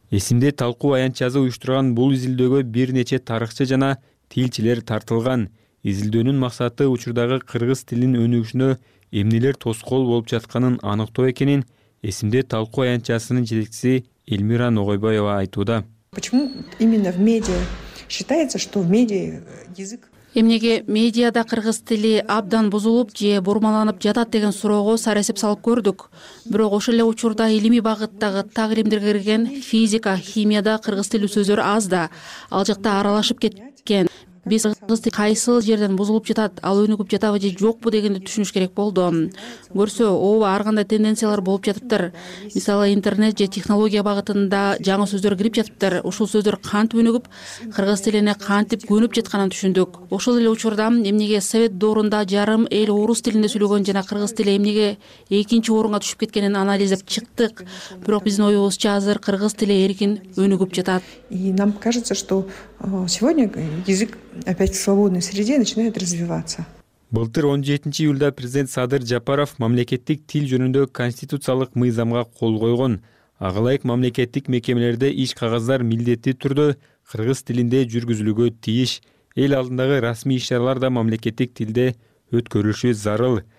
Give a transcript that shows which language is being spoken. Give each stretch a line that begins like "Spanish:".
Kyrgyz: Эсимде талкуу аянтчазы уюштурган бул изилдөөгө бир нече тарыхчы жана тилчилер тартылган. Изилдөөнүн максаты учурдагы кыргыз тилинин өнүгүшүнө эмнелер тоскоол болуп жатканын аныктоо экенин эсимде талкуу аянтчасынын жетекчиси Эльмира Ногойбаева айтууда.
Russian: Почему именно в медиа считается, что в медиа язык?
Kyrgyz: Эмнеге медиада кыргыз тили абдан бузулуп же бурмаланып жатат деген суроого саресеп салып көрдүк. Бирок ошол эле учурда илимий багыттагы таалимдерге кирген физика, химияда кыргыз тилүү сөздөр аз да, ал жакта аралашып кеткен. Биз кыргыз тили кайсыл жерден бузулуп жатат, ал өнүгүп жатабы же жокпу дегенди түшүнүш керек болду. Көрсө, ооба, ар кандай тенденциялар болуп жатыптыр. Мисалы, интернет же технология багытында жаңы сөздөр кирип жатыптыр. Ушул сөздөр кантип өнүгүп, кыргыз тилине кантип көнүп жатканын түшүндүк. Ошол эле учурда эмнеге совет доорунда жарым эл орус тилинде сүйлөгөн жана кыргыз тили эмнеге экинчи орунга түшүп кеткенин анализдеп чыктык. Бирок биздин оюбузча азыр кыргыз тили эркин өнүгүп жатат.
Russian: И нам кажется, что сегодня язык опять в свободной среде начинает развиваться.
Kyrgyz: Былтыр 17 июлда президент Садыр Жапаров мамлекеттик тил жөнүндө конституциялык мыйзамга кол койгон. Ага ылайык мамлекеттик мекемелерде иш кагаздар милдеттүү түрдө кыргыз тилинде жүргүзүлүүгө тийиш. Эл алдындагы расмий иш-чаралар да мамлекеттик тилде өткөрүлүшү зарыл.